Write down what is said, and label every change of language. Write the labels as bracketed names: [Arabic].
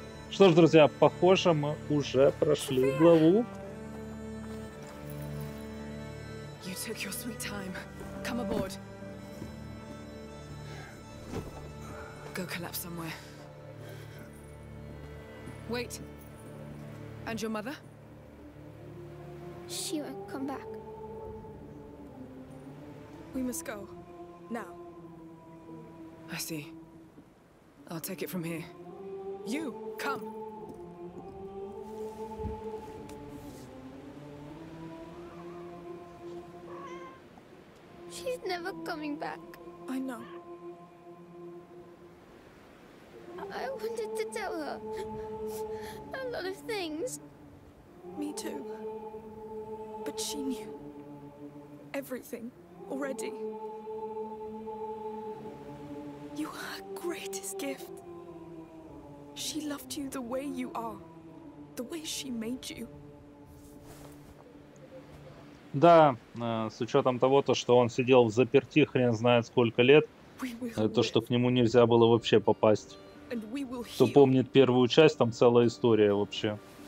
[Russian] Что ж, друзья, похоже, мы уже прошли главу. [English] You took your sweet time. Come aboard. Go collapse somewhere. Wait. And your mother? She won't come back. We must go. Now. I see. I'll take it from here. You, come. Never coming back. I know. I wanted to tell her a lot of things. Me too. But she knew everything already. You were her greatest gift. She loved you the way you are, the way she made you. [Russian] Да, с учетом того, то, что он сидел в заперти хрен знает сколько лет, то, что к нему нельзя было вообще попасть. Кто помнит первую часть, там целая история вообще.